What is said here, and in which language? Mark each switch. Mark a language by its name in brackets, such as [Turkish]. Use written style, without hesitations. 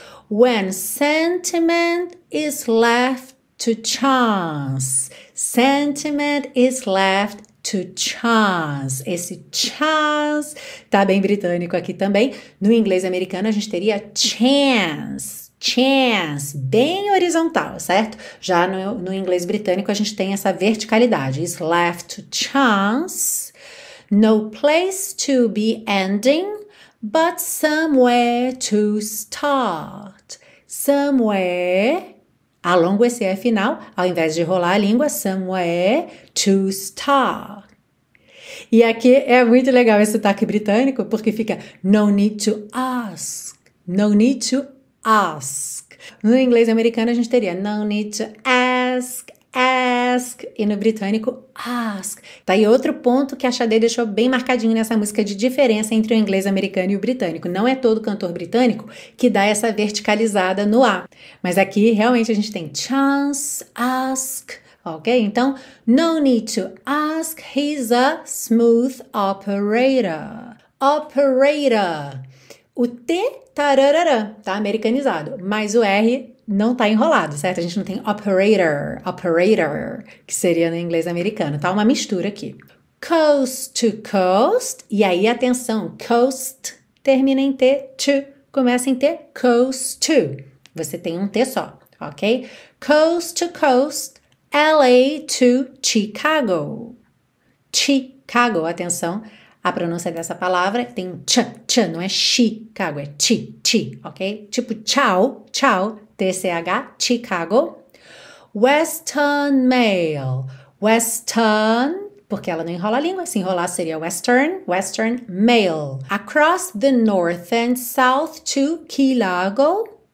[English] When sentiment is left to chance. Sentiment is left to chance. [Portuguese] Esse chance tá bem britânico aqui também. No inglês americano a gente teria chance, bem horizontal, certo? Já no inglês britânico a gente tem essa verticalidade. [English] It's left to chance. No place to be ending, but somewhere to start. [Portuguese] Somewhere. Alongo esse E final, ao invés de rolar a língua, [English] somewhere to start. [Portuguese] E aqui é muito legal esse sotaque britânico, porque fica [English] no need to ask, [Portuguese] no need to ask. No inglês americano a gente teria [English] no need to ask, [Portuguese] e no britânico ask. Tá aí outro ponto que a Xadê deixou bem marcadinho nessa música de diferença entre o inglês americano e o britânico. Não é todo cantor britânico que dá essa verticalizada no A. Mas aqui realmente a gente tem chance, ask, ok? Então, [English] no need to ask, he's a smooth operator. Operator. [Portuguese] O T, tararara, tá americanizado, mas o R não tá enrolado, certo? A gente não tem operator, que seria no inglês americano. Tá uma mistura aqui. [English] Coast to coast. [Portuguese] E aí, atenção, coast termina em T, to. Começa em T, coast to. Você tem um T só, ok? [English] Coast to coast, LA to Chicago. [Portuguese] Chicago, atenção. A pronúncia dessa palavra tem um ch, ch, não é Chicago, é chi, chi, ok? Tipo tchau. [English] TCH, Chicago. Western Mail. [Portuguese] Western, porque ela não enrola a língua, se enrolar seria Western Mail. [English] Across the North and South to Key Largo.